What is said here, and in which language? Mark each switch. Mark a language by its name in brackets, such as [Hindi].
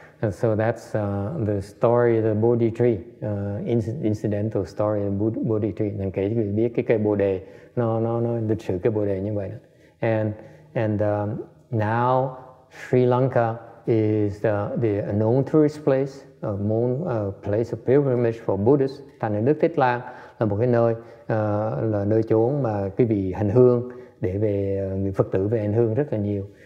[English] So that's the story of the Bodhi tree. Incidental story of Bodhi tree. [Vietnamese] Nên kể cho biết cái cây Bồ đề nó lịch sử cái Bồ đề như vậy đó. [English] And now Sri Lanka is the known tourist place. A place of pilgrimage for Buddhists. [Vietnamese] Thành ra nước Tích Lan là một cái nơi là nơi chốn mà quý vị hành hương để về người Phật tử về hành hương rất là nhiều.